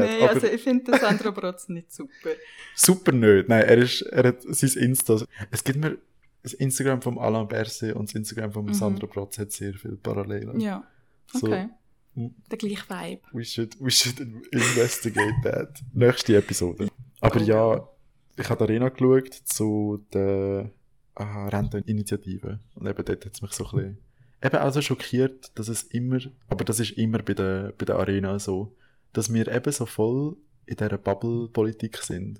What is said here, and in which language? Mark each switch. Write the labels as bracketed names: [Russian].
[German] Nein, also ich finde Sandro Bratz nicht super. Super nicht. Nein, er hat sein Insta. Es gibt mir das Instagram von Alain Berset und das Instagram von Sandro Bratz hat sehr viele Parallelen. Ja, okay. So. Der gleiche Vibe. [English] We should investigate that. [German] Nächste Episode. Aber ja, ich habe die Arena geschaut zu der Renteninitiative. Und eben dort hat es mich so ein bisschen eben auch so schockiert, dass es immer, aber das ist immer bei der Arena so, dass wir eben so voll in dieser Bubble-Politik sind.